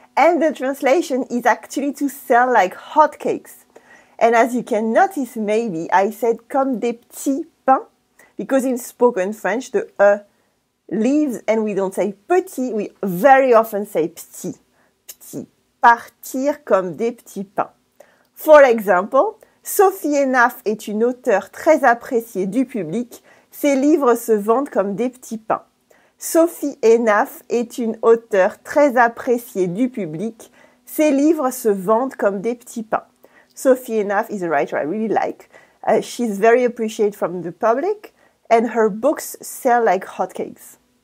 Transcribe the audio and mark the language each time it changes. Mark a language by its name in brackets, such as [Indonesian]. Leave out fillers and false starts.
[English] And the translation is actually to sell like hotcakes. And as you can notice, maybe I said [French] comme des petits pains [English] because in spoken French, the E leaves and we don't say petit, we very often say petit. [French] Petit. Partir comme des petits pains. [English] For example, [French] Sophie Hennaff est une auteure très appréciée du public. Ses livres se vendent comme des petits pains. Sophie Hennaff est une auteure très appréciée du public. Ses livres se vendent comme des petits pains. [English] Sophie Hennaff is a writer I really like. She's very appreciated from the public and her books sell like hotcakes.